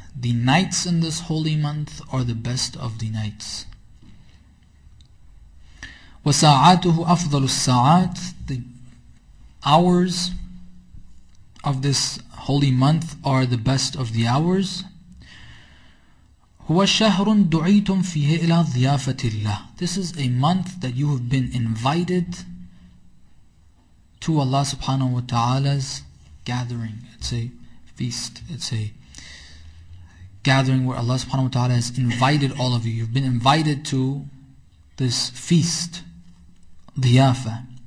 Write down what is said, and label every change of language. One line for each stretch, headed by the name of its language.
English: The nights in this holy month are the best of the nights.
Arabic: وَسَاعَاتُهُ أَفْضَلُ السَّاعَاتِ.
English: The hours of this holy month are the best of the hours.
Arabic: هو شهر دعيتم فيه إلى ضيافة الله.
English: This is a month that you have been invited to Allah subhanahu wa ta'ala's gathering. It's a feast. It's a gathering where Allah subhanahu wa ta'ala has invited all of you. You've been invited to this feast, ضيافه.